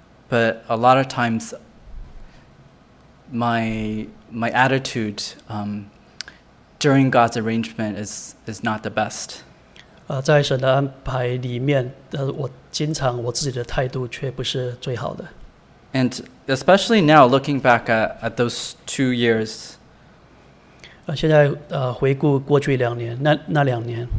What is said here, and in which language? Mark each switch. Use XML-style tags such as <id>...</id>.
<en>But a lot of times, my attitude during God's arrangement is not the best.</en> <zh>在神的安排里面，我经常我自己的态度却不是最好的。</zh> <en>And especially now, looking back at those 2 years,</en> <zh>现在回顾过去两年，那两年</zh>